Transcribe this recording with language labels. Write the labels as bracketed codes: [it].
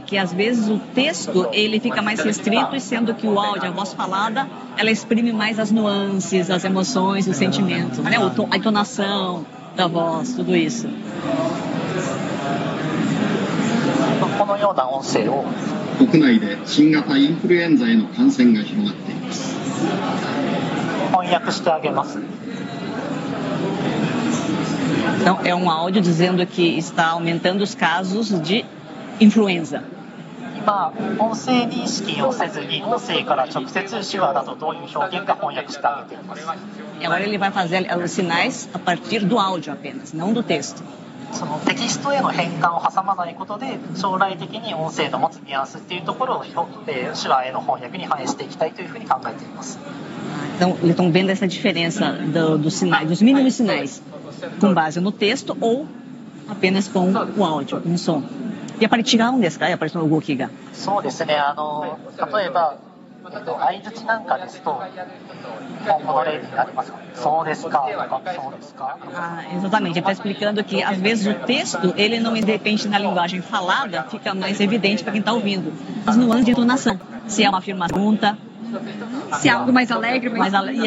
[pt] que às vezes o texto ele fica mais restrito, sendo que o áudio, a voz falada, ela exprime mais as nuances, as emoções, os sentimentos, né? A entonação da voz, tudo isso. [ja] このような音声を国内で新型インフルエンザへの感染が広がっています翻訳してあげます [pt] Não, é um áudio dizendo que está aumentando os casos de influenza [ja] 今音声認識をせずに音声から直接手話だとどういう表現か翻訳してあげています [pt] Agora ele vai fazer os sinais a partir do áudio apenas, não do texto [ja] そのテキストへの変換を挟まないことで将来的に音声の持つニュアンスっていうところを手話への翻訳に反映していきたいというふうに考えています。 [pt] Então, eles estão vendo essa diferença dos sinais, dos mínimos sinais, com base no texto ou apenas com o áudio, com o som. [ja] やっぱり違うんですか？やっぱりその動きが。そうですね。例えば、相槌なんかですと、 [pt] Exatamente, ele está explicando que às vezes o texto, ele não independe na linguagem falada, fica mais evidente para quem está ouvindo. As nuances de entonação, se é uma afirmação, pergunta, se é algo mais alegre, mais alegre.